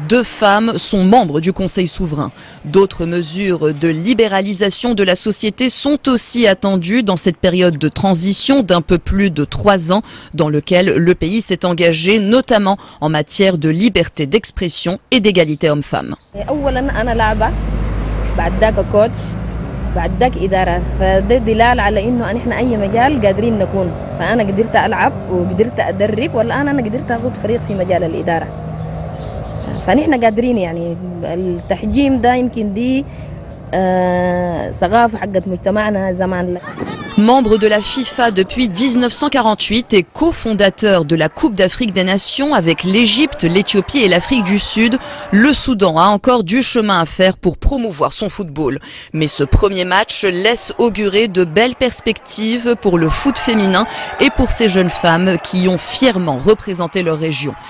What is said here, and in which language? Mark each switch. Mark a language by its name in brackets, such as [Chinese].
[French] 2 femmes sont membres du Conseil souverain. D'autres mesures de libéralisation de la société sont aussi attendues dans cette période de transition d'un peu plus de 3 ans dans lequel le pays s'est engagé, notamment en matière de liberté d'expression et d'égalité hommes-femmes. [Arabic] بعدك إدارة فده دلال على إنه أنا إحنا أي مجال قادرين نكون فأنا قدرت ألعب وقدرت أدرب والآن أنا قدرت أقود فريق في مجال الإدارة فنحن قادرين يعني التحجيم ده يمكن دي ثقافة حقت مجتمعنا زمان. [French] Membre de la FIFA depuis 1948 et cofondateur de la Coupe d'Afrique des Nations avec l'Égypte, l'Éthiopie et l'Afrique du Sud, le Soudan a encore du chemin à faire pour promouvoir son football. Mais ce premier match laisse augurer de belles perspectives pour le foot féminin et pour ces jeunes femmes qui ont fièrement représenté leur région.